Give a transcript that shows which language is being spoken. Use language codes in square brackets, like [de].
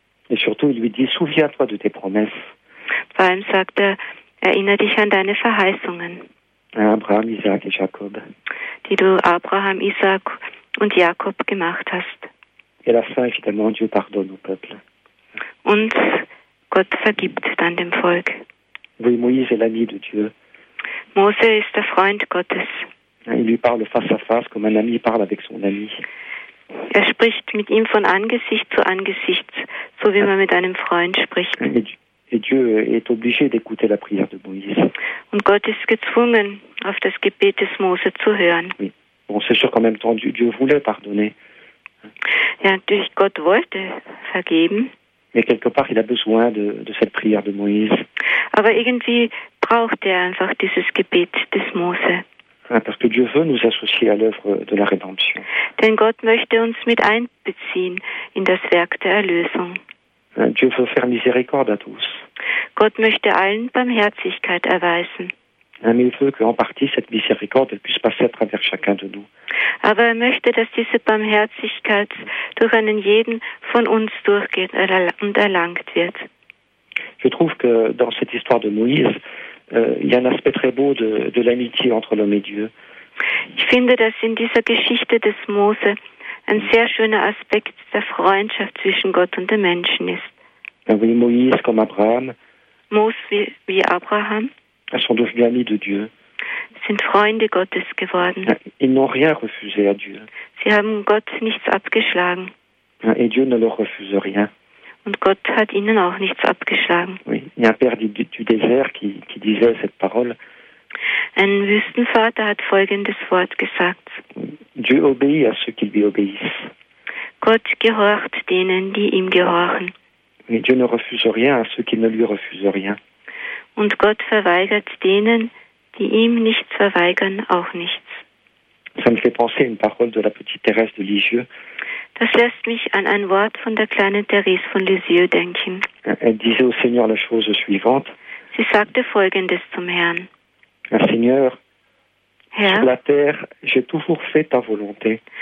[fr] Et surtout, il lui dit, souviens-toi de tes promesses. [de] Vor allem sagt erinnere dich an deine Verheißungen. [fr] Abraham, Isaac et Jacob. [de] Die du Abraham, Isaac und Jakob gemacht hast. [fr] Et la fin, évidemment, Dieu pardonne au peuple. [de] Und Gott vergibt dann dem Volk. [fr] Oui, Moïse est l'ami de Dieu. [de] Mose ist der Freund Gottes. [fr] Il lui parle face à face, comme un ami parle avec son ami. [de] Spricht mit ihm von Angesicht zu Angesicht, so wie man mit einem Freund spricht. [fr] Et Dieu est obligé d'écouter la prière de Moïse. [de] Und Gott ist gezwungen, auf das Gebet des Mose zu hören. [fr] Oui. Bon, c'est sûr qu'en même temps, Dieu voulait pardonner. [de] Ja, natürlich, Gott wollte vergeben. [fr] Mais quelque part, il a besoin de cette prière de Moïse. [de] Aber irgendwie braucht einfach dieses Gebet des Mose. [fr] Parce que Dieu veut nous associer à l'œuvre de la rédemption. [de] Denn Gott möchte uns mit einbeziehen in das Werk der Erlösung. [fr] Dieu veut faire miséricorde à tous. [de] Gott möchte allen Barmherzigkeit erweisen. [fr] Mais il veut qu'en partie cette miséricorde puisse passer à travers chacun de nous. [de] Aber er möchte, dass diese Barmherzigkeit durch einen jeden von uns durchgeht und erlangt wird. [fr] Je trouve que dans cette histoire de Moïse, il y a un aspect très beau de l'amitié entre l'homme et Dieu. [de] Ich finde, dass in dieser Geschichte des Mose ein sehr schöner Aspekt der Freundschaft zwischen Gott und dem Menschen ist. [fr] Oui, Moïse comme Abraham. [de] Mose wie Abraham. [fr] Ils sont devenus amis de Dieu. [de] Sind Freunde Gottes geworden. [fr] Ils n'ont rien refusé à Dieu. [de] Sie haben Gott nichts abgeschlagen. [fr] Et Dieu ne leur refuse rien. [de] Und Gott hat ihnen auch nichts abgeschlagen. [fr] Oui, il y a un père du désert qui disait cette parole. [de] Ein Wüstenvater hat folgendes Wort gesagt. [fr] Dieu obéit à ceux qui lui obéissent. [de] Gott gehorcht denen, die ihm gehorchen. [fr] Mais Dieu ne refuse rien à ceux qui ne lui refusent rien. [de] Und Gott verweigert denen, die ihm nichts verweigern, auch nichts. [fr] Ça me fait penser à une parole de la petite Thérèse de Lisieux. [de] Das lässt mich an ein Wort von der kleinen Thérèse von Lisieux denken. [fr] Elle disait au Seigneur la chose suivante. [de] Sie sagte folgendes zum Herrn. [fr] Seigneur, [de] Herr, [fr] sur la terre, j'ai toujours fait ta volonté.